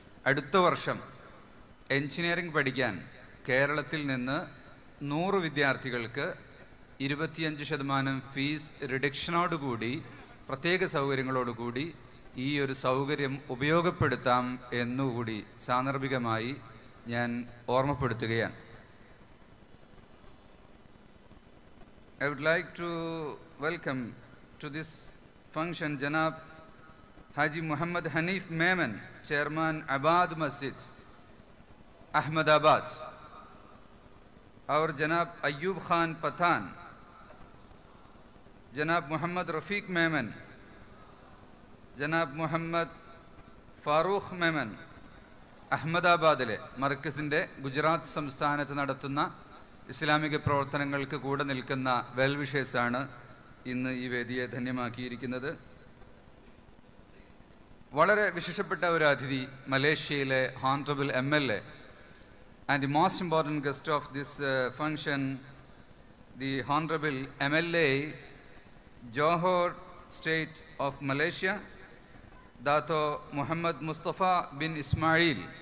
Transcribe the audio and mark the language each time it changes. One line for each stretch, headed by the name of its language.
Malayalam: അടുത്ത വർഷം എഞ്ചിനീയറിംഗ് പഠിക്കാൻ കേരളത്തിൽ നിന്ന് 100 വിദ്യാർത്ഥികൾക്ക് 25% ഫീസ് റിഡക്ഷനോടുകൂടി, പ്രത്യേക സൗകര്യങ്ങളോടുകൂടി ഈ ഒരു സൗകര്യം ഉപയോഗപ്പെടുത്താം എന്നുകൂടി സാന്ദർഭികമായി ഞാൻ ഓർമ്മപ്പെടുത്തുകയാണ്.
English: I would like to welcome to this function Janab Haji Muhammad Hanif Maimon, Chairman Abad Masjid, Ahmedabad.
Malayalam: Our Janab Ayub Khan Pathan, Janab Muhammad Rafiq Maimon, Janab Muhammad Farooq Maimon, Ahmedabad le markazinde Gujarat samsthanathu nadathuna ഇസ്ലാമിക പ്രവർത്തനങ്ങൾക്ക് കൂടെ നിൽക്കുന്ന well വിഷേഴ്സാണ് ഇന്ന് ഈ വേദിയെ ധന്യമാക്കിയിരിക്കുന്നത്. വളരെ വിശേഷപ്പെട്ട ഒരു അതിഥി, മലേഷ്യയിലെ
English: Honourable MLA and the most important guest of this function, the honourable MLA Johor state of Malaysia, Dato Muhammad Mustafa bin Ismail.